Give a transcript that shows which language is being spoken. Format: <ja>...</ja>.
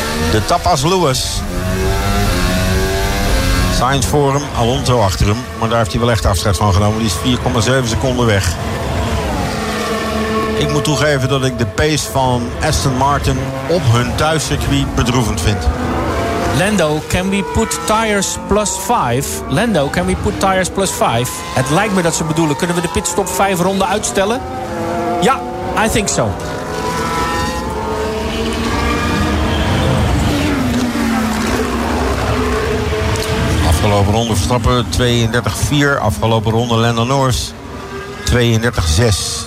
<nl>De tapas Lewis. Sainz voor hem, Alonso achter hem. Maar daar heeft hij wel echt afscheid van genomen. Die is 4,7 seconden weg. Ik moet toegeven dat ik de pace van Aston Martin op hun thuiscircuit bedroevend vind.</nl> <en>Lando, can we put tires plus 5? Lando, can we put tires plus 5?</en> <nl>Het lijkt me dat ze bedoelen, kunnen we de pitstop 5 ronden uitstellen?</nl> <en>Ja, I think so.</en> <nl>Afgelopen ronde Verstappen 32-4. Afgelopen ronde Lando Norris 32-6.</nl>